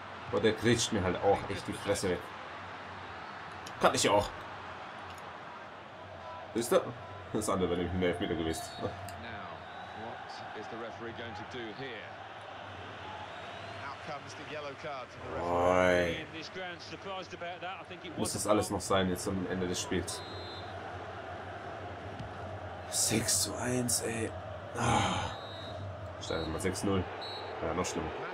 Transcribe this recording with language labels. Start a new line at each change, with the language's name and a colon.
German: Boah, der grätscht mir halt auch echt die Fresse. Kann ich auch. Ist er? Das andere wäre nämlich ein Elfmeter gewesen.
English: Now, what is the referee going to do here? Out comes the yellow card to the referee.
German: Muss das alles noch sein jetzt am Ende des Spiels? 6:1, ey. Steigen wir mal 6:0. Ja, noch schlimmer.